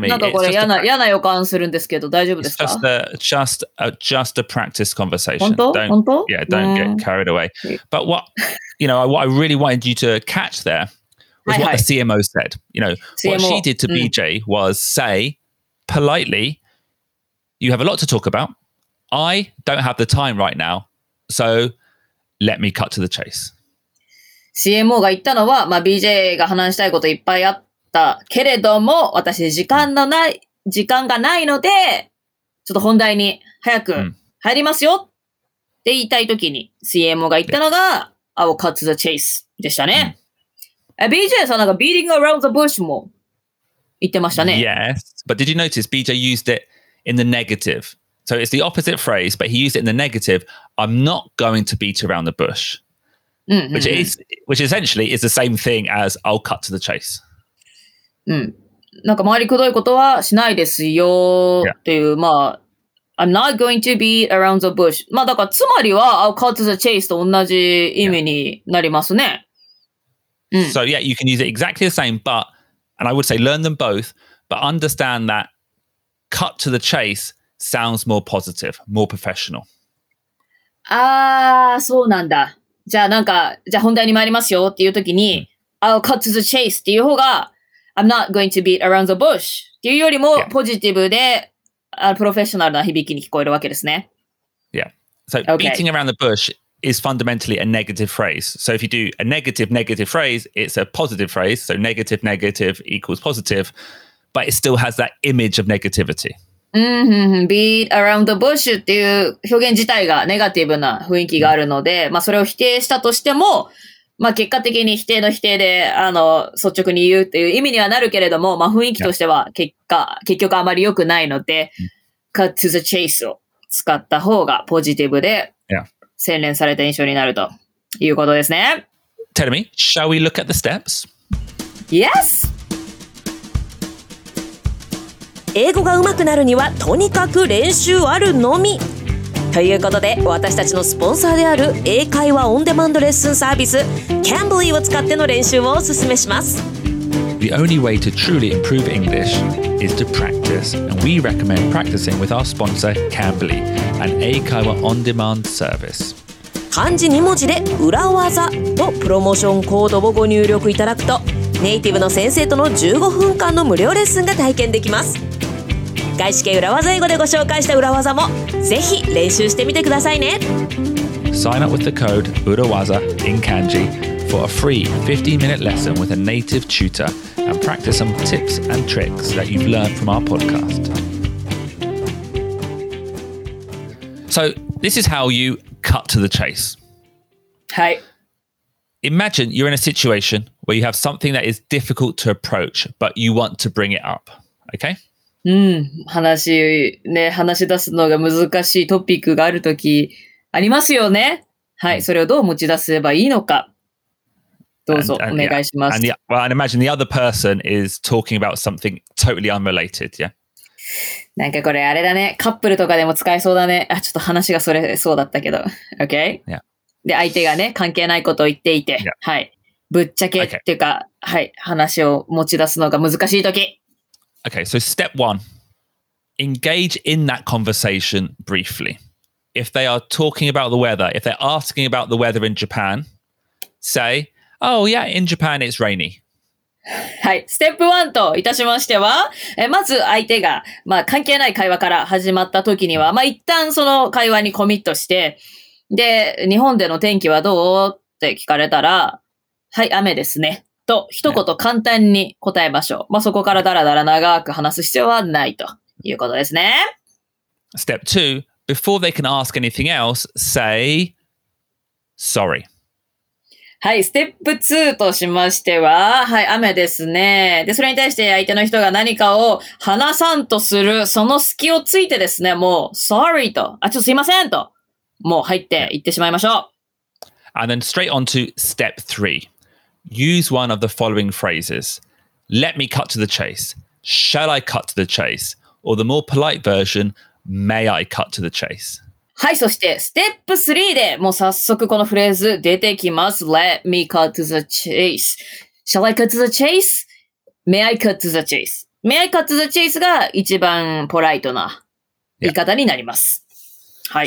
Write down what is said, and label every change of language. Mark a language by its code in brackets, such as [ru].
[ja] なんかこれ嫌な予感するんですけど、大丈夫ですか? [en] Just a practice conversation. [ja] 本当? [en] Don't get carried away. But what I really wanted you to catch there was what the CMO said. What she did to BJ was say politely, you have a lot to talk about. I don't have the time right now. So let me cut to the chase. [ja] CMO が言ったのは、まあ、BJ が話したいこといっぱいあって、けれども私時間がないのでちょっと本題に早く入りますよって言いたいときに CMO が言ったのが [en] I'll cut the chase [ja] でしたね、うん、BJ さんなんか [en] beating around the bush [ja] も言ってましたね [en] Yes, but did you notice BJ used it in the negative So it's the opposite phrase but he used it in the negative I'm not going to beat around the bush、 [ja] うんうんうん、 [en] which essentially is the same thing as I'll cut to the chase [ja] うん、なんか周りくどいことはしないですよっていう、yeah. まあ [en] I'm not going to be around the bush [ja] まあだからつまりは [en] I'll cut the chase [ja] と同じ意味になりますね、 [en] yeah. うん、So yeah, you can use it exactly the same but and I would say learn them both but understand that cut to the chase sounds more positive more professional [ja] あーそうなんだじゃあなんかじゃあ本題に参りますよっていう時に、mm. [en] I'll cut to the chase [ja] っていう方が [en] I'm not going to beat around the bush. [ja] っていうよりも、yeah. ポジティブで、プロフェッショナルな響きに聞こえるわけですね。 [en] Yeah. So、okay. beating around the bush is fundamentally a negative phrase. So if you do a negative, negative phrase, it's a positive phrase. So negative, negative equals positive, but it still has that image of negativity. Beat around the bush [ja] っていう表現自体がネガティブな雰囲気があるので、まあそれを否定したとしても、まあ結果的に否定の否定で、率直に言うっていう意味にはなるけれども、まあ雰囲気としては結局あまり良くないので、 [en] cut to the chase [ja] を使った方がポジティブで、洗練された印象になるということですね。 [en] Tell me, shall we look at the steps? Yes! [ja] 英語が上手くなるにはとにかく練習あるのみということで、私たちのスポンサーである英会話オンデマンドレッスンサービス Cambly を使っての練習をお勧めします。 [en] The only way to truly improve English is to practice, and we recommend practicing with our sponsor Cambly, an [ja] 英会話オンデマンドサービス。漢字2文字で裏技とプロモーションコードをご入力いただくと、ネイティブの先生との15分間の無料レッスンが体験できます。外資系裏技英語でご紹介した裏技もぜひ練習してみてくださいね。 [en] Sign up with the code URAWAZA in Kanji for a free 15-minute lesson with a native tutor and practice some tips and tricks that you've learned from our podcast. So this is how you cut to the chase. [ja] はい。 [en] Imagine you're in a situation where you have something that is difficult to approach, but you want to bring it up. Okay? [ja] うん、話ね、話し出すのが難しいトピックがあるときありますよね。はい、それをどう持ち出せばいいのか。どうぞ、お願いします。 [en] And yeah, well, and imagine the other person is talking about something totally unrelated, yeah? [ja] なんかこれあれだね、カップルとかでも使えそうだね。あ、ちょっと話がそれそうだったけど。 [en] Okay? Yeah. [ja] で、相手がね、関係ないことを言っていて、 [en] yeah. [ja] はい。ぶっちゃけっていうか、はい。話を持ち出すのが難しいとき。 [en] Okay, so step one. Engage in that conversation briefly. If they are talking about the weather, if they're asking about the weather in Japan, say, oh yeah, in Japan it's rainy. [ja] はい。ステップワンといたしましては、まず相手が、まあ関係ない会話から始まったときには、まあ一旦その会話にコミットして、で、日本での天気はどうって聞かれたら、はい、雨ですね。と、一言簡単に答えましょう。まあ、そこからだらだら長く話す必要はないということですね。 [en] Step 2. Before they can ask anything else, say sorry. [ja] はい、ステップ2としましては、はい、雨ですね。で、それに対して相手の人が何かを話さんとする、その隙をついてですね、もう、sorry と。あ、ちょっとすいませんと。もう入って行ってしまいましょう。 [en] And then straight on to step three. Use one of the following phrases. Let me cut to the chase. Shall I cut to the chase? Or the more polite version, may I cut to the chase? [ja] はい、そしてステップ three でもう早速このフレーズ出てきます。 [en] Let me cut to the chase. Shall I cut to the chase? May I cut to the chase? May I cut to the chase [ja] が一番ポライトな言い方になります。 [en] Yeah. [ja] はい、